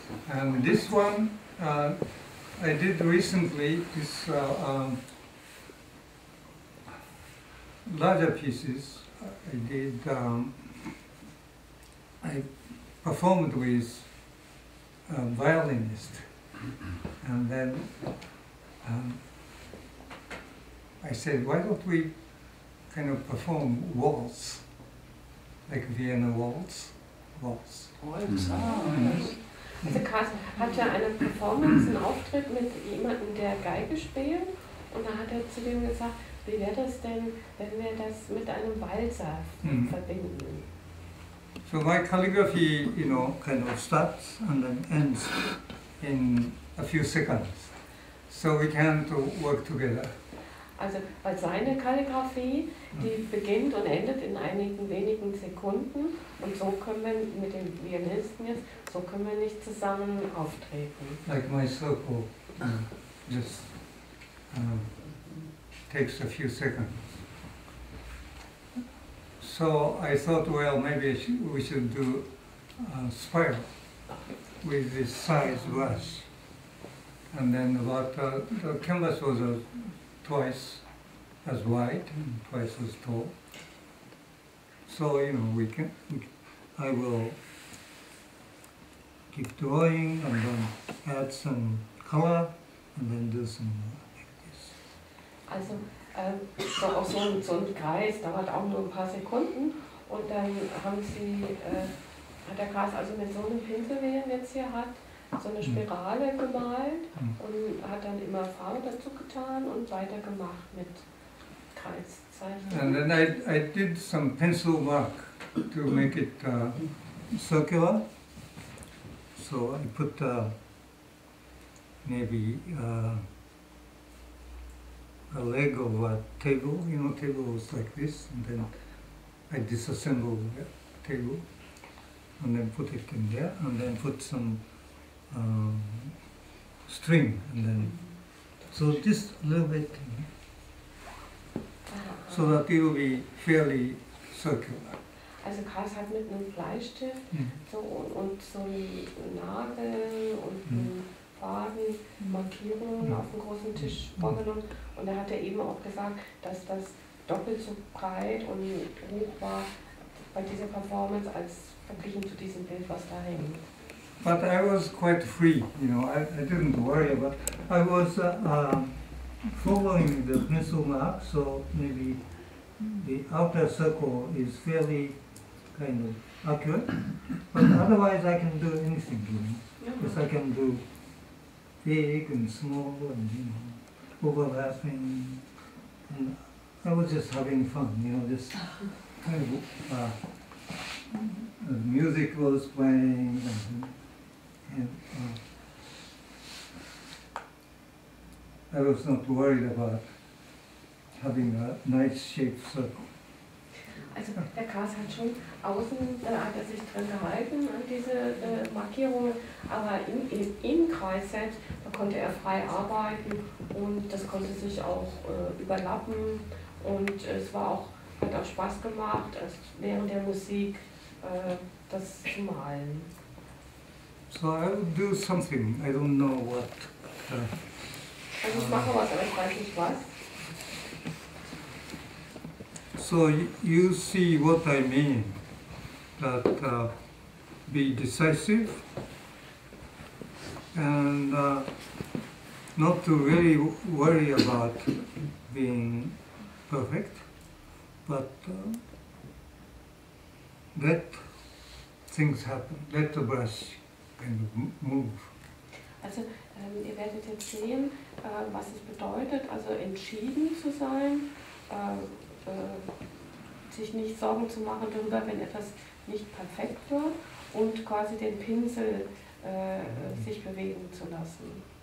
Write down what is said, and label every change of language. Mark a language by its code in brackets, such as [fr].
[en] And this one, I did recently, this larger pieces, I did, I performed with a violinist. And then I said, why don't we kind of perform waltz, like Vienna waltz, waltz. Waltz, mm-hmm. [de] Also Carsten hat ja eine Performance, einen Auftritt mit jemandem, der Geige spielt. Und da hat er zu dem gesagt, wie wäre das denn, wenn wir das mit einem Walzer verbinden? [en] So my calligraphy, you know, kind of starts and then ends in a few seconds, so we can to work together. [de] Also, weil seine Kalligraphie, die beginnt und endet in einigen wenigen Sekunden, und so können wir mit dem Violinisten jetzt, so können wir nicht zusammen auftreten. [en] Like my circle, just takes a few seconds. So I thought, well, maybe we should do a spiral with this size brush. And then about the canvas was twice as wide and twice as tall. So, you know, I will keep drawing and then add some color and then do some more like this. [de] Also, so auch so ein Kreis dauert auch nur ein paar Sekunden und dann haben Sie, hat der Kreis also mit so einem Pinsel, wie er jetzt hier hat, so eine Spirale gemalt und hat dann immer Farbe dazu getan und weitergemacht mit Kreiszeichen. [en] And then I did some pencil work to make it circular. So I put maybe a leg of a table, you know, table was like this, and then I disassembled the table and then put it in there and then put some string and then so just a little bit so that it will be fairly circular. [de] Also Karls hat mit einem Bleistift so und so ein Nagel und einen Faden Markierungen auf dem großen Tisch vorgenommen und er hat ja eben auch gesagt, dass das doppelt so breit und hoch war bei dieser Performance als verglichen zu diesem Bild, was da hängt. [en] But I was quite free, you know, I didn't worry about it. I was following the pencil mark, so maybe the outer circle is fairly kind of accurate. But otherwise, I can do anything, you know. Yes, I can do big and small and, you know, overlapping. And I was just having fun, you know, just kind of, the music was playing and I was not worried about having a nice shaped circle. [de] Also, der Kars hat schon außen, hat er sich drin gehalten an diese Markierungen, aber im Kreisset, da konnte er frei arbeiten und das konnte sich auch überlappen und es war auch, hat auch Spaß gemacht, also während der Musik das zu malen. [en] So, I'll do something, I don't know what. [de] Also, ich mache was, aber ich weiß nicht was. [en] So you see what I mean, that be decisive and not to really worry about being perfect, but let things happen, let the brush kind of move. [de] Also ihr werdet jetzt sehen, was es bedeutet, also entschieden zu sein, sich nicht Sorgen zu machen darüber, wenn etwas nicht perfekt wird und quasi den Pinsel sich bewegen zu lassen.